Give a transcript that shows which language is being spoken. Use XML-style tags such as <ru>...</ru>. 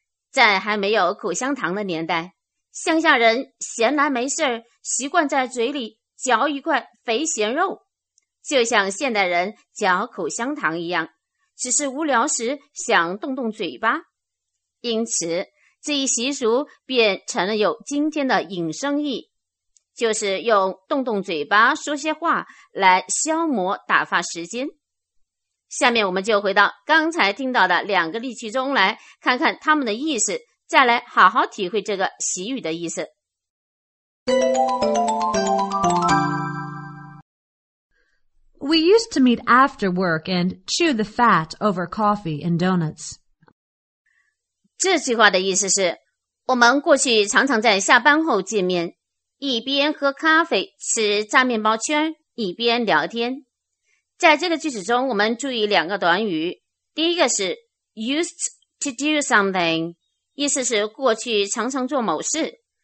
<zh>在还没有口香糖的年代，乡下人闲来没事，习惯在嘴里嚼一块肥咸肉，就像现代人嚼口香糖一样，只是无聊时想动动嘴巴，因此这一习俗便成了有今天的引申意，就是用动动嘴巴说些话来消磨打发时间。下面我们就回到刚才听到的两个例句中来看看他们的意思，再来好好体会这个习语的意思。</zh> <en>We used to meet after work and chew the fat over coffee and donuts.</en> <zh>这句话的意思是，我们过去常常在下班后见面，一边喝咖啡吃炸面包圈，一边聊天。在这个句子中，我们注意两个短语。第一个是</zh> <en>used to do something，</en> <zh>意思是过去常常做某事。</zh>